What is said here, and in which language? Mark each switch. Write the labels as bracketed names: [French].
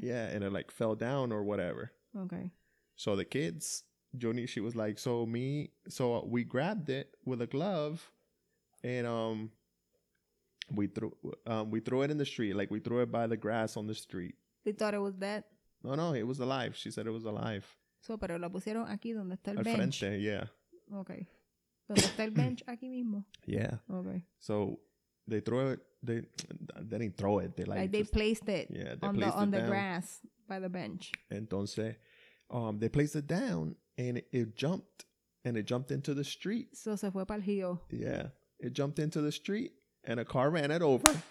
[English] Yeah, and it like fell down or whatever. Okay. So the kids, Joni, she was like, we grabbed it with a glove and we threw it in the street. Like we threw it by the grass on the street. They thought it was dead? No, it was alive. She said it was alive. So, [Spanish] pero la pusieron aquí donde está el bench. Al frente, [English] yeah. Okay. [Spanish] Donde está el bench aquí mismo. [English] Yeah. Okay. So they threw it. They didn't throw it. They like they just placed it on the grass by the bench. [Spanish] Entonces, [English] they placed it down, and it jumped into the street. So [Spanish] se fue pa'l río. [English] Yeah. It jumped into the street, and a car ran it over.